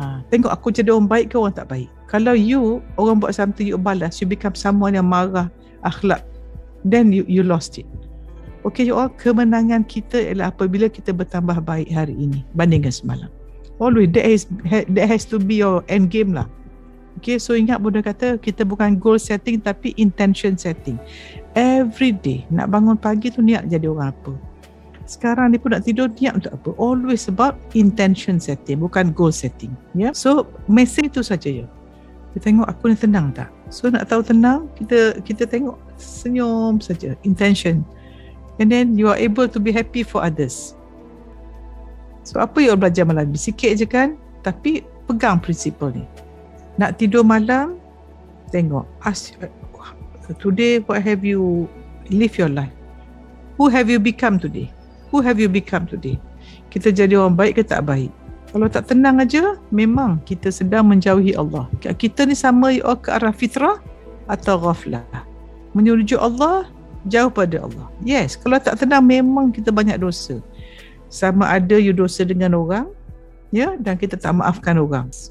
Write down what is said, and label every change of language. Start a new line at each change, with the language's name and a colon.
Malay: Tengok aku jadi orang baik ke orang tak baik. Kalau
English: you,
Malay: orang buat
English: something, you
Malay: balas,
English: you become someone
Malay: yang marah, akhlak,
English: then you lost it. Okay you all,
Malay: kemenangan kita ialah apabila kita bertambah baik hari ini bandingkan semalam.
English: Always, that has to be your end game lah.
Malay: Okay, so ingat Bunda kata, kita bukan goal setting tapi intention setting.
English: Every day,
Malay: nak bangun pagi tu niat jadi orang apa. Sekarang ni pun nak tidur, niat untuk apa.
English: Always about intention setting,
Malay: bukan
English: goal setting.
Malay: Yeah. So, message tu saja ya. Kita tengok aku ni tenang tak? So, nak tahu tenang, kita tengok senyum saja, intention.
English: And then you are able to be happy for others.
Malay: So, apa yang belajar malam ni? Sikit je kan? Tapi, pegang prinsipal ni. Nak tidur malam, tengok.
English: Today, what have you live your life? Who have you become today? Who have you become today?
Malay: Kita jadi orang baik ke tak baik? Kalau tak tenang aja, memang kita sedang menjauhi Allah. Kita ni sama ke arah fitrah atau ghaflah. Menuju Allah, jauh pada Allah. Yes, kalau tak tenang, memang kita banyak dosa. Sama ada you dosa dengan orang, ya, dan kita tak maafkan orang.